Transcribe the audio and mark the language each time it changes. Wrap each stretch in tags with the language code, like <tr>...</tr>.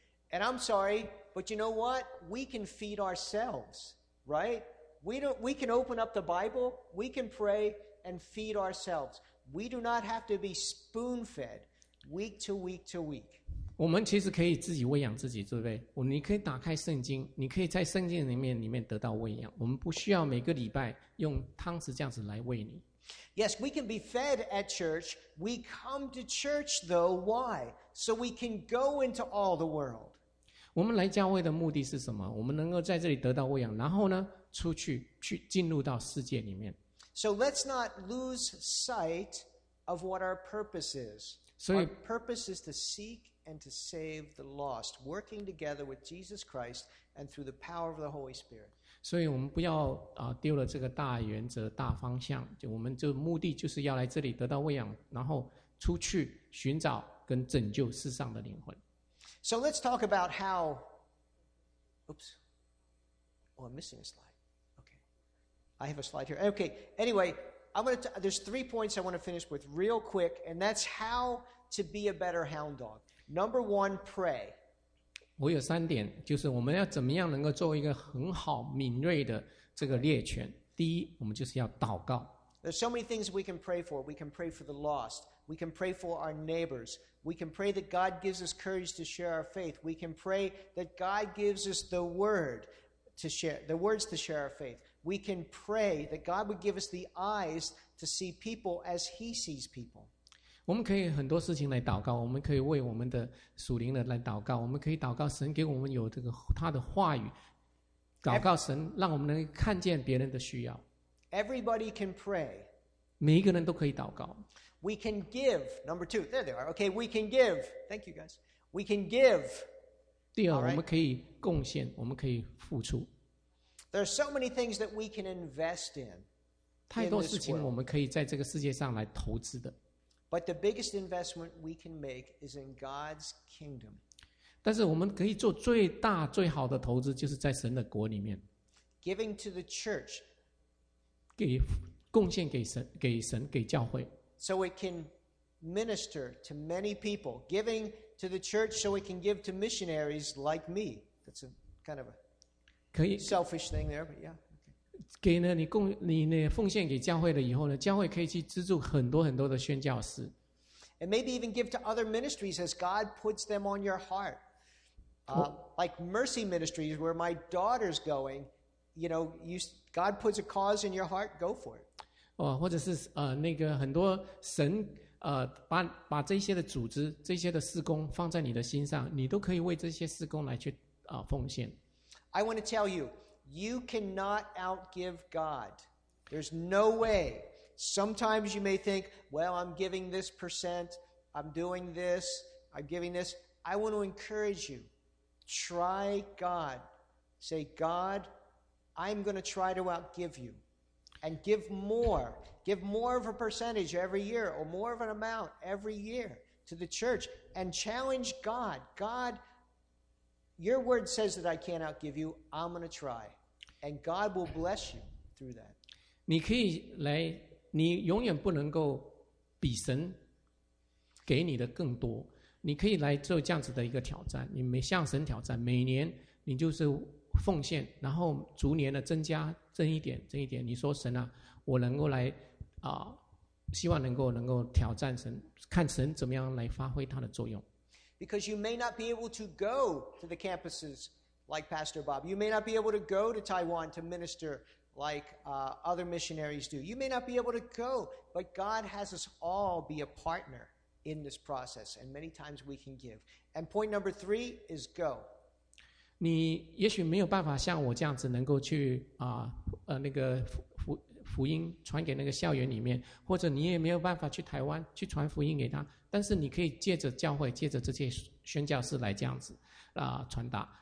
<en>And I'm sorry, but you know what? We can feed ourselves, right? We can open up the Bible, we can pray and feed ourselves. We do not have to be spoon-fed week to week to week.</en> <zh>我们其实可以自己喂养自己，对不对？你可以打开圣经，你可以在圣经里面得到喂养。我们不需要每个礼拜用汤匙这样子来喂你。</zh> <en>Yes, we can be fed at church. We come to church, though. Why? So we can go into all the world.</en> <zh>我们来教会的目的是什么？我们能够在这里得到喂养，然后呢，出去，去进入到世界里面。</zh> <en>So let's not lose sight of what our purpose is. Our purpose is to seek and to save the lost, working together with Jesus Christ and through the power of the Holy Spirit.</en> <zh>所以我们不要丢了这个大原则、大方向，就我们这目的就是要来这里得到喂养，然后出去寻找跟拯救世上的灵魂。</zh> <en>So let's talk about how. Oops. Oh, I'm missing a slide. Okay. I have a slide here. Okay. Anyway, there's three points I want to finish with real quick, and that's how to be a better hound dog. Number one, pray.</en> <zh>我有三点，就是我们要怎么样能够做一个很好敏锐的这个猎犬。第一，我们就是要祷告。</zh> <en>There's so many things we can pray for. We can pray for the lost. We can pray for our neighbors. We can pray that God gives us courage to share our faith. We can pray that God gives us the word to share, the words to share our faith. We can pray that God would give us the eyes to see people as He sees people.</en> <zh>我们可以很多事情来祷告，我们可以为我们的属灵的来祷告，我们可以祷告神给我们有这个他的话语，祷告神让我们能看见别人的需要。</zh> <en>Everybody can pray.</en> <zh>每一个人都可以祷告。</zh> <en>We can give. Number two, there they are. Okay, we can give. Thank you, guys. We can give.</en> <zh>第二，我们可以贡献，我们可以付出。</zh> <en>There are so many things that we can invest in.</en> <zh>太多事情我们可以在这个世界上来投资的。</zh> <en>But the biggest investment we can make is in God's kingdom.</en> <zh>但是我们可以做最大最好的投资，就是在神的国里面。</zh> <en>Giving to the church.</en> <zh>给贡献给神，给神，给教会。</zh> <en>So it can minister to many people, giving to the church so it can give to missionaries like me. That's a kind of a selfish thing there, but yeah.</en> <zh>给呢，你贡你呢奉献给教会了以后呢，教会可以去资助很多很多的宣教士。</zh> <en>And maybe even give to other ministries as God puts them on your heart, like Mercy Ministries, where my daughter's going. You know, God puts a cause in your heart, go for it.</en> <zh>或者是那个很多神把这些的组织这些的事工放在你的心上，你都可以为这些事工来去奉献。</zh> <en>I want to tell you, you cannot outgive God. There's no way. Sometimes you may think, well, I'm giving this percent, I'm giving this. I want to encourage you, try God. Say, God, I'm going to try to outgive you. And give more. Give more of a percentage every year or more of an amount every year to the church. And challenge God. God, your word says that I can't outgive you. I'm going to try. And God will bless you through that.</en> <zh>你可以来，你永远不能够比神给你的更多。你可以来做这样子的一个挑战。你没向神挑战，每年你就是奉献，然后逐年的增加挣一点，挣一点。你说神啊，我能够来希望能够挑战神，看神怎么样来发挥他的作用。</zh> <en>Because you may not be able to go to the campuses like Pastor Bob, you may not be able to go to Taiwan to minister like other missionaries do. You may not be able to go, but God has us all be a partner in this process, and many times we can give. And point number three is go.</en> <zh>你也许没有办法像我这样子能够去那个福音传给那个校园里面，或者你也没有办法去台湾去传福音给他，但是你可以借着教会，借着这些宣教士来这样子传达。</zh>